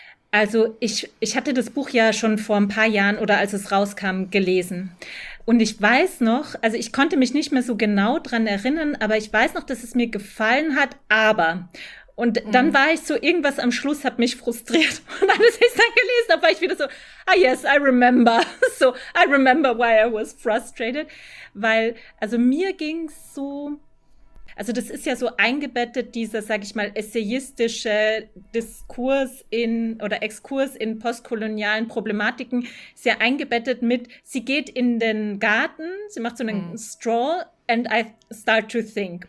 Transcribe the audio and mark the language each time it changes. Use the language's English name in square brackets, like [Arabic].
[German] Also ich hatte das Buch ja schon vor ein paar Jahren oder als es rauskam gelesen. Und ich weiß noch, also ich konnte mich nicht mehr so genau dran erinnern, aber ich weiß noch, dass es mir gefallen hat, aber. Und dann war ich so, irgendwas am Schluss hat mich frustriert. Und als ich es dann gelesen habe, war ich wieder so, [English] ah yes, I remember. So, I remember why I was frustrated. [German] Weil, also mir ging es so, also das ist ja so eingebettet, dieser, sag ich mal, essayistische Diskurs in oder Exkurs in postkolonialen Problematiken, ist ja eingebettet mit, sie geht in den Garten, sie macht so einen [English] Stroll and I start to think.